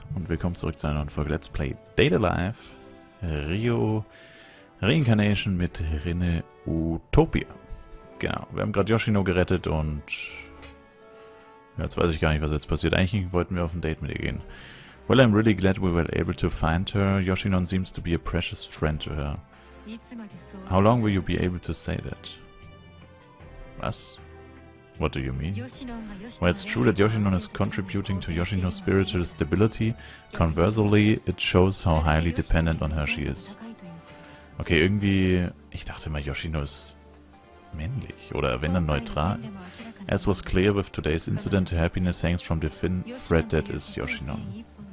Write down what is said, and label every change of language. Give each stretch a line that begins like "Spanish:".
German: Und willkommen zurück zu einer neuen Folge Let's Play Data Life Rio Reincarnation mit Rinne Utopia. Genau, wir haben gerade Yoshino gerettet und jetzt weiß ich gar nicht, was jetzt passiert. Eigentlich wollten wir auf ein Date mit ihr gehen.
English: Well, I'm really glad we were able to find her. Yoshino seems to be a precious friend to her. How long will you be able to say that? Was? What do you mean? Well, it's true that Yoshinon is contributing to Yoshino's spiritual stability. Conversely, it shows how highly dependent on her she is.
German: Okay, irgendwie, ich dachte mal, Yoshino ist männlich oder wenn dann neutral.
English: As was clear with today's incident, her happiness hangs from the thin thread that is Yoshinon.